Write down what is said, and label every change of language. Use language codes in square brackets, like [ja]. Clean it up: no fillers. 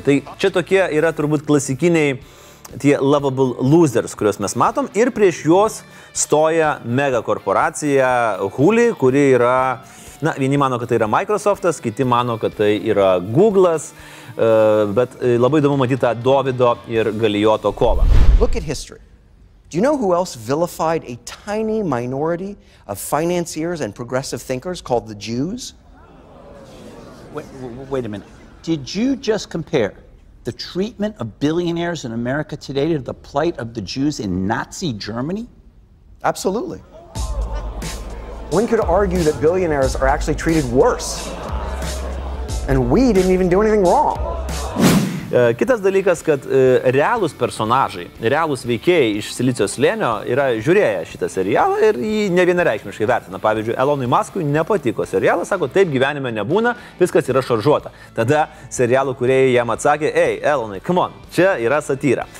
[lt] Tai čia tokie yra turbūt klasikiniai tie [en] lovable losers, [lt] kuriuos mes matom, ir prieš juos stoja megakorporacija Hulu, kuri yra, na, vieni mano, kad tai yra Microsoft'as, kiti mano, kad tai yra Google'as, bet labai įdomu matyti tą Dovido ir Galijoto kovą. [en] Look at history. Do you know who else vilified a tiny minority of financiers and progressive thinkers called the Jews? Wait a minute. Did you just compare the treatment of billionaires in America today to the plight of the Jews in Nazi Germany? Absolutely. One could argue that billionaires are actually treated worse. And we didn't even do anything wrong. [lt] Kitas dalykas, kad realūs personažai, realūs veikėjai iš Silicio slėnio yra žiūrėję šitą serialą ir jį nevienareikšmiškai vertina. Pavyzdžiui, Elonui Muskui nepatiko serialas, sako, taip gyvenime nebūna, viskas yra šaržuota. Tada serialų kūrėjai jam atsakė, ei, Elonai, [en] come on, [lt] čia yra satyra.